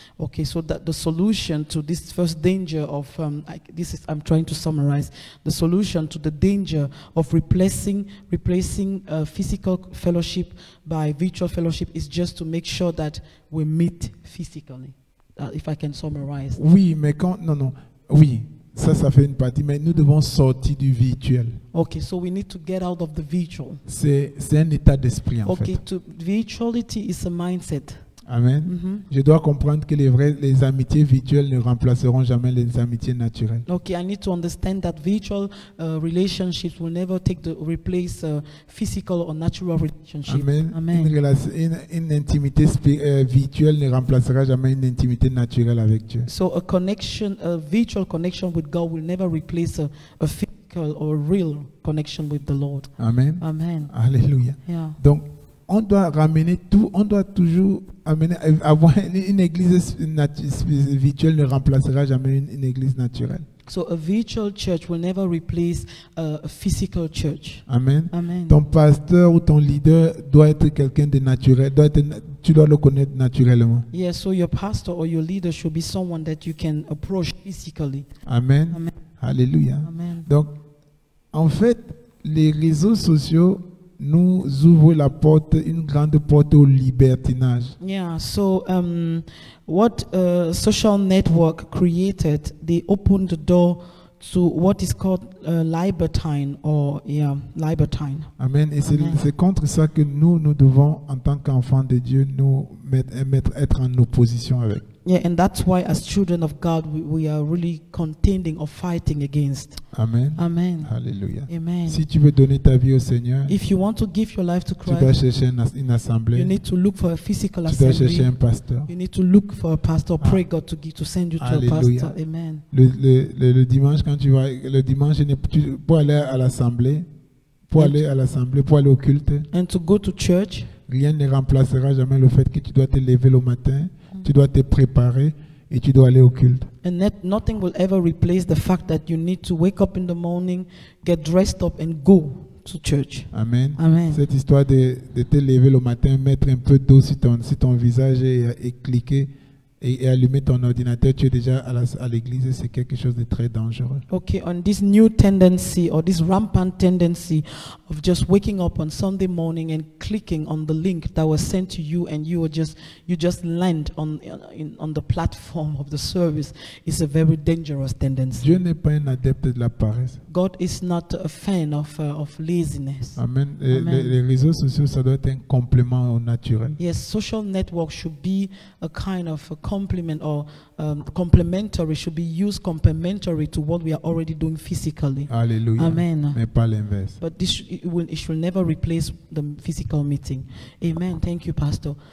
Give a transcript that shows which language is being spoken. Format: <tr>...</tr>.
<en>Okay, so that the solution to this first danger of I'm trying to summarize the solution to the danger of replacing physical fellowship by virtual fellowship is just to make sure that we meet physically. If I can summarize.</en> <fr>Oui, mais quand non, oui. Ça fait une partie, mais nous devons sortir du virtuel.</fr> <en>Okay, so we need to get out of the virtual.</en> <fr>C'est un état d'esprit en fait.</fr> <en>Okay, virtuality is a mindset. Amen. Mm-hmm.</en> <fr>Je dois comprendre que les amitiés virtuelles ne remplaceront jamais les amitiés naturelles.</fr> <en>Okay, I need to understand that virtual relationships will never take the replace physical or natural relationships. Amen. Amen.</en> <fr>Une intimité virtuelle ne remplacera jamais une intimité naturelle avec Dieu.</fr> <en>So a connection, a virtual connection with God will never replace a physical or real connection with the Lord. Amen. Amen. Alléluia. Yeah.</en> <fr>Donc on doit ramener tout, on doit toujours amener, avoir une église virtuelle ne remplacera jamais une église naturelle.</fr> <en>So a virtual church will never replace a physical church. Amen. Amen.</en> <fr>Ton pasteur ou ton leader doit être quelqu'un de naturel, doit être, tu dois le connaître naturellement.</fr> <en>Yes, so your pastor or your leader should be someone that you can approach physically. Amen. Amen. Alléluia. Amen.</en> <fr>Donc, en fait, les réseaux sociaux nous ouvre la porte, une grande porte au libertinage.</fr> <en>Yeah, so what social network created, they opened the door to what is called libertine or libertine. Amen.</en> <fr>Et c'est contre ça que nous devons, en tant qu'enfants de Dieu, nous mettre être en opposition avec.</fr> <en>Yeah, and that's why as children of God we are really contending or fighting against. Amen. Amen. Hallelujah. Amen.</en> <fr>Si tu veux donner ta vie au Seigneur,</fr> <en>if you want to give your life to Christ,</en> <fr>tu dois chercher une assemblée.</fr> <en>You need to look for a physical assembly.</en> <fr>Tu dois chercher un pasteur.</fr> <en>You need to look for a pastor. Ah. Pray God to send you to Alléluia. A pastor. Amen.</en> <fr>Le dimanche quand tu vas le dimanche tu pour aller à l'assemblée, pour aller au culte.</fr> <en>And to go to church.</en> <fr>Rien ne remplacera jamais le fait que tu dois te lever le matin. Tu dois te préparer et tu dois aller au culte.</fr> <en>And that nothing will ever replace the fact that you need to wake up in the morning, get dressed up and go to church. Amen. Amen.</en> <fr>Cette histoire de te lever le matin, mettre un peu d'eau sur ton visage et cliquer et allumer ton ordinateur, tu es déjà à l'église, c'est quelque chose de très dangereux.</fr> <en>Okay, on this new tendency or this rampant tendency of just waking up on Sunday morning and clicking on the link that was sent to you and you just land on the platform of the service is a very dangerous tendency.</en> <fr>Dieu n'est pas un adepte de la paresse.</fr> <en>God is not a fan of laziness. Amen. Amen.</en> <fr>Les réseaux sociaux, ça doit être un complément au naturel.</fr> <en>Yes, social network should be a kind of a complement or complementary, should be used complementary to what we are already doing physically. Alleluia. Amen.</en> <fr>Mais pas l'inverse.</fr> <en>But this it should never replace the physical meeting. Amen. Thank you, Pastor.</en>